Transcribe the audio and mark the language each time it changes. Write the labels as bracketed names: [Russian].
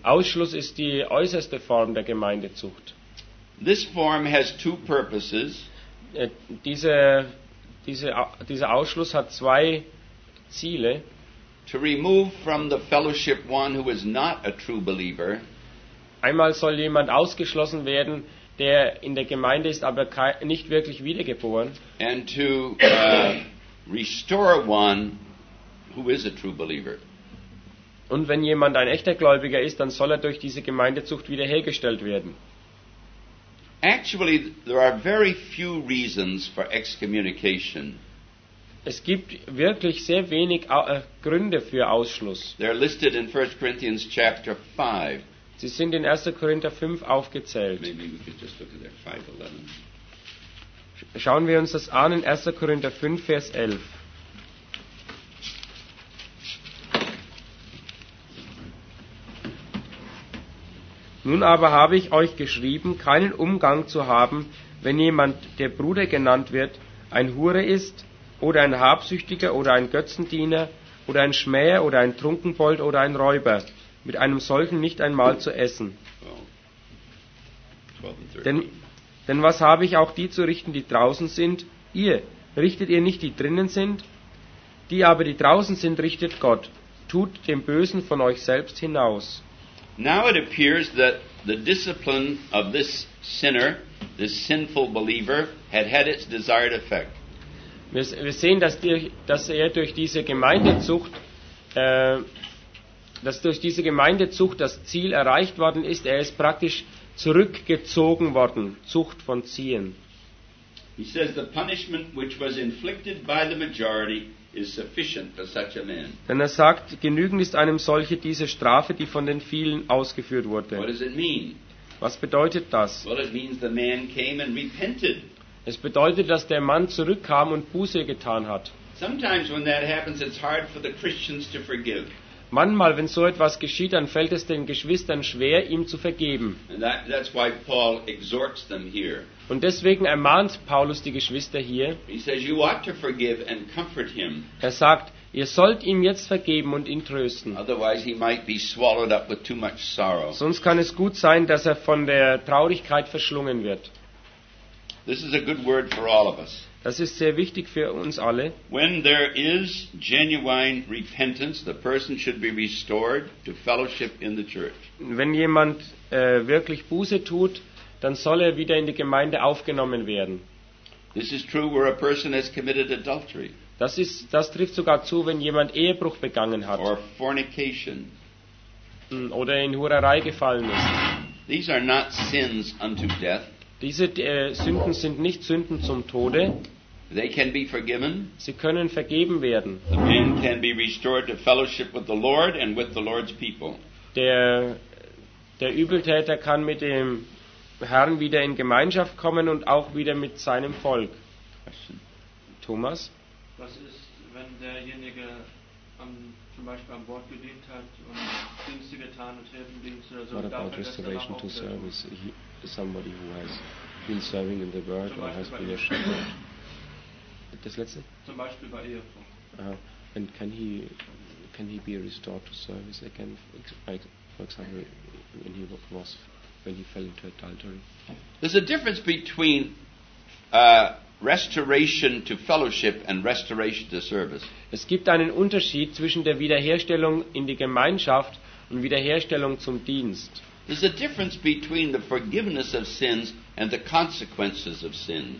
[German] Ausschluss ist die äußerste Form der Gemeindezucht. [English] This form has two purposes. [German] Dieser Ausschluss hat zwei Ziele. [English] To remove from the fellowship one who is not a true believer. [German] Einmal soll jemand ausgeschlossen werden, der in der Gemeinde ist, aber nicht wirklich wiedergeboren. [English] And to restore one who is a true believer. [German] Und wenn jemand ein echter Gläubiger ist, dann soll er durch diese Gemeindezucht wiederhergestellt werden. [English] Actually, there are very few reasons for excommunication. [German] Es gibt wirklich sehr wenig Gründe für Ausschluss. [English] They are listed in 1 Corinthians chapter 5. [German] Sie sind in 1. Korinther 5 aufgezählt. [English] Maybe we could just look at their 5:11. [German] Schauen wir uns das an in 1. Korinther 5, Vers 11. Nun aber habe ich euch geschrieben, keinen Umgang zu haben, wenn jemand, der Bruder genannt wird, ein Hure ist oder ein Habsüchtiger oder ein Götzendiener oder ein Schmäher oder ein Trunkenbold oder ein Räuber, mit einem solchen nicht einmal zu essen. Denn was habe ich auch die zu richten, die draußen sind? Ihr richtet ihr nicht, die drinnen sind? Die aber, die draußen sind, richtet Gott. Tut dem Bösen von euch selbst hinaus. [English] Now it appears that the discipline of this sinner, this sinful believer, had had its desired effect. [German] Wir sehen, dass durch diese Gemeindezucht das Ziel erreicht worden ist. Er ist praktisch zurückgezogen worden. Zucht von Ziehen. [English] He says the punishment which was inflicted by the majority is sufficient for such a man. [German] Denn er sagt, genügend ist einem solche diese Strafe, die von den vielen ausgeführt wurde. [English] What does it mean? [German] Was bedeutet das? [English] Well, it means the man came and repented. [German] Es bedeutet, dass der Mann zurückkam und Buße getan hat. [English] Sometimes when that happens, it's hard for the Christians to forgive. [German] Manchmal, wenn so etwas geschieht, dann fällt es den Geschwistern schwer, ihm zu vergeben. [English] And that's why Paul exhorts them here. [German] Und deswegen ermahnt Paulus die Geschwister hier. [English] He says, you ought to forgive and comfort him. [German] Er sagt, ihr sollt ihm jetzt vergeben und ihn trösten. [English] Otherwise he might be swallowed up with too much sorrow. [German] Sonst kann es gut sein, dass er von der Traurigkeit verschlungen wird. [English] This is a good word for all of us. [German] Das ist sehr wichtig für uns alle. [English] When there is genuine repentance, the person should be restored to fellowship in the church. [German] Wenn jemand wirklich Buße tut, dann soll er wieder in die Gemeinde aufgenommen werden. [English] This is true where a person has committed adultery. [German] Das trifft sogar zu, wenn jemand Ehebruch begangen hat. [English] Or fornication. [German] Oder in Hurerei gefallen ist. [English] These are not sins unto death. [German] Diese Sünden sind nicht Sünden zum Tode. [English] They can be forgiven. [German] Sie können vergeben werden. [English] The man can be restored to fellowship with the Lord and with the Lord's people. [German] Der Übeltäter kann mit dem Herrn wieder in Gemeinschaft kommen und auch wieder mit seinem Volk. Thomas? Was ist, wenn derjenige zum Beispiel am Wort gedient hat und Dienste getan und Hilfendienst oder so. [English] What about restoration to service? Somebody who has been serving in the Word or has been a shepherd. [German] Das letzte? Zum Beispiel bei Ehefrau. [English] And can he be restored to service again? For example, when he fell into adultery. There's a difference between restoration to fellowship and restoration to service. [German] Es gibt einen Unterschied zwischen der Wiederherstellung in die Gemeinschaft und Wiederherstellung zum Dienst. [English] There's a difference between the forgiveness of sins and the consequences of sin.